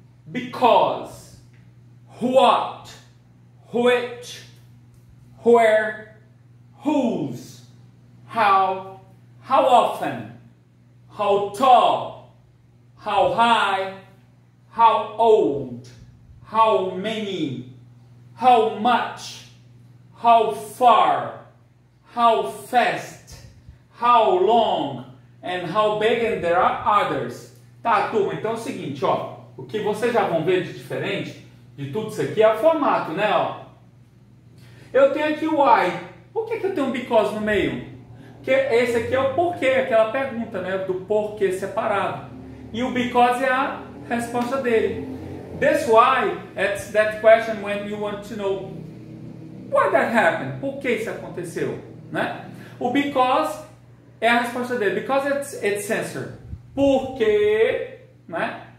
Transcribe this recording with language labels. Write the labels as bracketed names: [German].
[English] Because, what, which, where, whose, how often, how tall, how high, how old, how many, how much, how far, how fast, how long, and how big, and there are others. [Portuguese] Tá, turma, então é o seguinte, ó. O que vocês já vão ver de diferente de tudo isso aqui é o formato, né? Ó, eu tenho aqui o why. Por que que eu tenho um because no meio? Porque esse aqui é o porquê, aquela pergunta, né? Do porquê separado. E o because é a resposta dele. [English] This why, it's that question when you want to know why that happened. [Portuguese] Por que isso aconteceu, né? O because é a resposta dele. [English] Because it's answer. [Portuguese] Por quê, né?